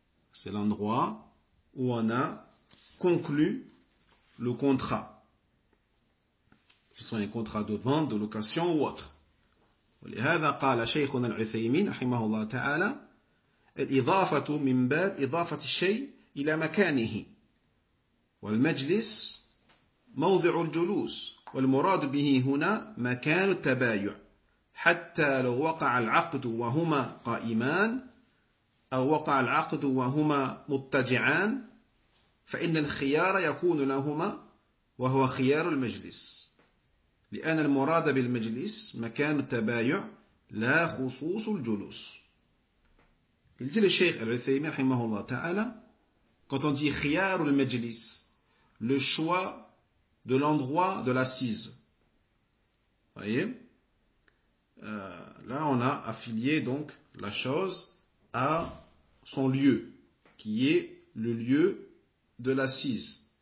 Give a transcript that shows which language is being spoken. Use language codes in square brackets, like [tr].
[fr] C'est l'endroit où on a conclu le contrat. Ce sont un contrat de vente, de location ou autre. [ar] ولهذا قال شيخنا العثيمين رحمه الله تعالى الإضافة من باب إضافة الشيء إلى مكانه والمجلس موضع الجلوس، والمراد به هنا مكان التبايع، حتى لو وقع العقد وهما قائمان أو وقع العقد وهما مضطجعان فإن الخيار يكون لهما، وهو خيار المجلس، لأن المراد بالمجلس مكان التبايع لا خصوص الجلوس. يقول الشيخ العثيمين رحمه الله تعالى [fr] quand on dit خيار المجلس le choix de l'endroit de l'assise. Vous voyez là on a affilié donc la chose à son lieu qui est le lieu de l'assise.